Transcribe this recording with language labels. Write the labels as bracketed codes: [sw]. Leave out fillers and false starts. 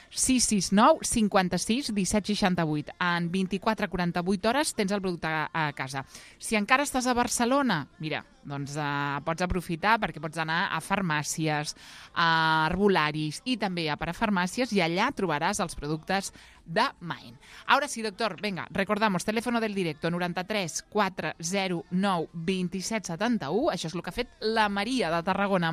[ca] 669-56-1768. En 24-48 hores tens el producte a casa. Si encara estàs a Barcelona, mira, doncs pots aprofitar perquè pots anar a farmàcies, a herbolaris i també a parafarmàcies i allà trobaràs els productes de Mind. [es] Ahora sí, doctor, venga, recordamos, teléfono del directo 93-409-2771. [ca] Això és el que ha fet la Maria de Tarragona.